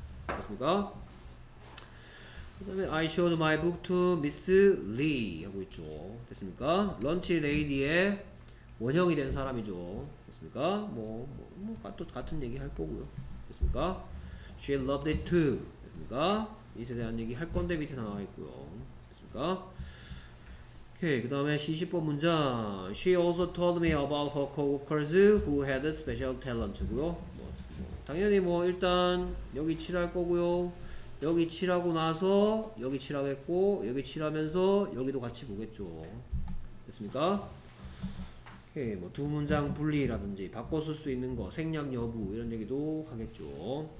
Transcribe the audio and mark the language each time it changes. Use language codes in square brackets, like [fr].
[ko] 됐습니까? 그 다음에 [en] I showed my book to Miss Lee [ko] 하고 있죠. 됐습니까? 런치 레이디의 원형이 된 사람이죠. 됐습니까? 뭐 같은 얘기 할 거고요. 됐습니까? [en] She loved it too. [ko] 됐습니까? 이에 대한 얘기 할 건데 밑에 나와 있고요. 됐습니까? 오케이. 그 다음에 40번 문장. [en] She also told me about her coworkers who had a special talent고요. [ko] 당연히 뭐 일단 여기 칠할 거고요. 여기 칠하고 나서 여기 칠하겠고 여기 칠하면서 여기도 같이 보겠죠. 됐습니까? 예, 뭐 두 문장 분리라든지 바꿔 쓸 수 있는 거 생략 여부 이런 얘기도 하겠죠.